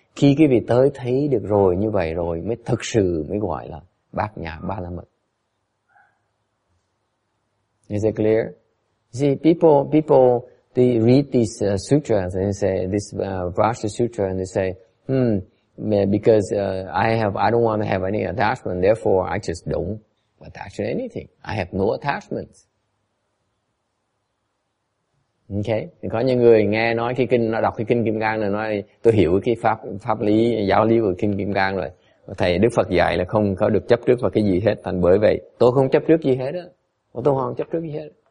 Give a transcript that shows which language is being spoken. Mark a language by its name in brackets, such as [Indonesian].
[Vietnamese] Khi quý vị tới thấy được rồi, như vậy rồi, mới thực sự mới gọi là bát nhã ba la mật. [English] Is it clear? See, people, they read these sutras and they say, this Varja sutra, and they say, because I don't want to have any attachment, therefore I just don't attach to anything. I have no attachments. Okay? [Vietnamese] Có những người nghe nói cái kinh, nó đọc cái kinh Kim Cang rồi nói, tôi hiểu cái pháp lý, giáo lý của kinh Kim Cang rồi. Thầy Đức Phật dạy là không có được chấp trước vào cái gì hết. Thành bởi vậy tôi không chấp trước gì hết á. Tôi hoàn toàn chấp trước gì hết.